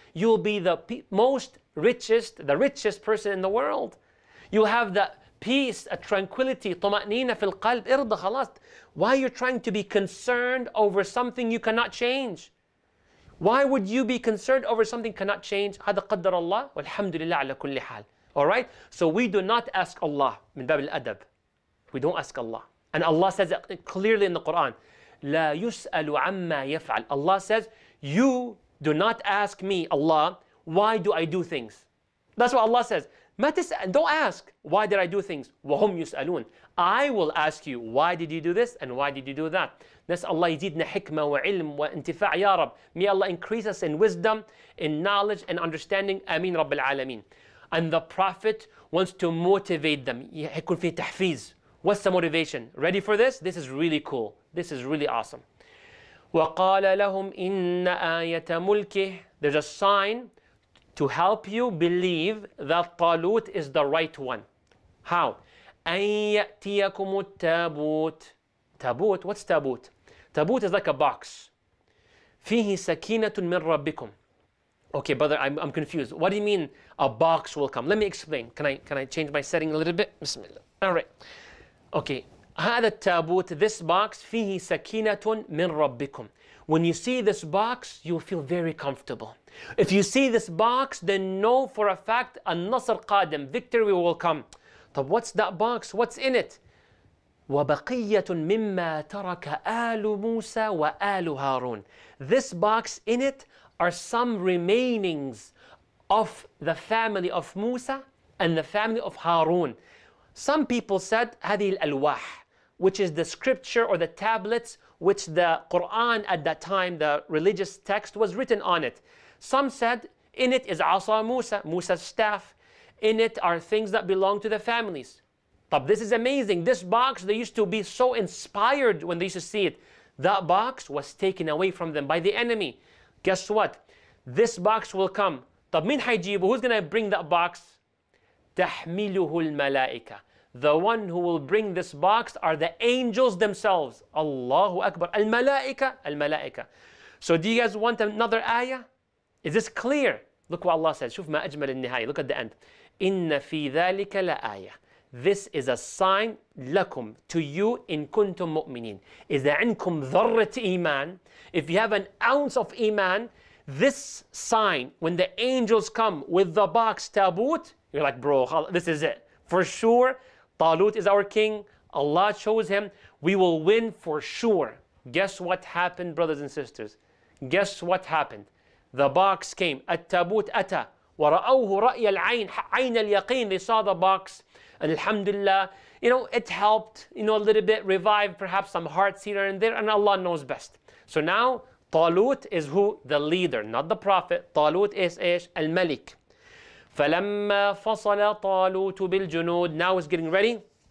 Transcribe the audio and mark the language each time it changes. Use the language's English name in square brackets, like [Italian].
[English] You'll be the richest person in the world. You have that peace, a tranquility, [Arabic] طمأنينة في القلب, إرضى خلاص. [English] Why are you trying to be concerned over something you cannot change? Why would you be concerned over something you cannot change? [Arabic] هذا قدر الله والحمد لله على كل حال. [English] Alright? So we do not ask Allah, [Arabic] من باب الأدب. [English] We don't ask Allah. And Allah says it clearly in the Quran. [Arabic] لا يسأل عما يفعل. [English] Allah says, you do not ask me, Allah, why do I do things? That's what Allah says. Don't ask, why did I do things? [Arabic] وَهُمْ يُسْأَلُونَ [English] I will ask you, why did you do this and why did you do that? [Arabic] نسأل الله يزيدنا حكمة وعلم وانتفاع يا رب. [English] May Allah increase us in wisdom, in knowledge and understanding. [Arabic] أمين رب العالمين. [English] And the Prophet wants to motivate them. [Arabic] يكون فيه تحفيز. [English] What's the motivation? Ready for this? This is really cool. This is really awesome. [Arabic] وَقَالَ لَهُمْ إِنَّ آيَةَ مُلْكِهِ [English] There's a sign to help you believe that Talut is the right one. How? [Arabic] أَن يَأْتِيَكُمُ التَّابُوتِ [English] Tabut, what's Tabut? Tabut is like a box. [Arabic] فِيهِ سَكِينَةٌ مِنْ رَبِّكُمْ [English] Okay, brother, I'm confused. What do you mean a box will come? Let me explain. Can I change my setting a little bit? Bismillah. All right. Okay. [Arabic] هذا التابوت, [English] this box, [Arabic] فيه سكينة من ربكم. [English] When you see this box, you will feel very comfortable. If you see this box, then know for a fact, [Arabic] النصر قادم, [English] victory will come. طب, what's that box? What's in it? [Arabic] وبقية مما ترك آل موسى وآل هارون. [English] This box in it are some remainings of the family of Musa and the family of Harun. Some people said, [Arabic] هذه الألواح. [English] Which is the scripture or the tablets which the Quran at that time, the religious text was written on it. Some said, in it is Asa Musa, Musa's staff. In it are things that belong to the families. طب, this is amazing. This box, they used to be so inspired when they used to see it. That box was taken away from them by the enemy. Guess what? This box will come. [Arabic] طب, مين حيجيبه? [English] Who's going to bring that box? [Arabic] تحمله الملائكة. [English] The one who will bring this box are the angels themselves. Allahu Akbar. Al-Malaika. Al-Malaika. So do you guys want another ayah? Is this clear? Look what Allah says. [Arabic] شوف ما أجمل النهاية. [English] Look at the end. [Arabic] إِنَّ فِي ذَلِكَ لَآيَةٌ [English] This is a sign [Arabic] لكم [English] to you [Arabic] إن كنتم مؤمنين. إذا عندكم ذرة إيمان. [English] If you have an ounce of إيمان, this sign, when the angels come with the box تابوت, you're like, bro, this is it. For sure, Talut is our king. Allah chose him. We will win for sure. Guess what happened, brothers and sisters? Guess what happened? The box came. [Arabic] At-tabut ata. ورأوه رأي العين عين اليقين. [English] They saw the box and alhamdulillah, you know, it helped, you know, a little bit, revived perhaps some hearts here and there, and Allah knows best. So now Talut is who? The leader, not the prophet. Talut is [Arabic] ish al-malik. فَلَمَّا فَصَلَ طَالُوتُ بِالْجُنُودِ. [English] Now it's getting ready.